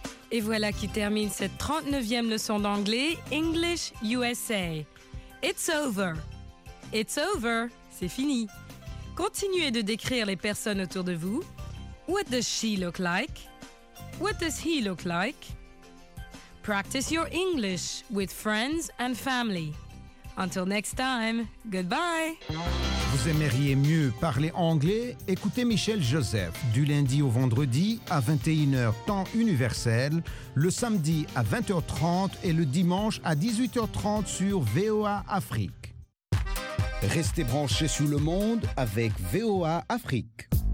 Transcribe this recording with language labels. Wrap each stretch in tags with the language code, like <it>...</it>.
<fr>Et voilà qui termine cette 39e leçon d'anglais, English USA.</fr> <en>It's over. It's over.</en> <fr>C'est fini. Continuez de décrire les personnes autour de vous.</fr> <en>What does she look like? What does he look like? Practice your English with friends and family. Until next time, goodbye!</en> <fr>Vous aimeriez mieux parler anglais? Écoutez Michel Joseph du lundi au vendredi à 21h temps universel, le samedi à 20h30 et le dimanche à 18h30 sur VOA Afrique. Restez branchés sur le monde avec VOA Afrique.</fr>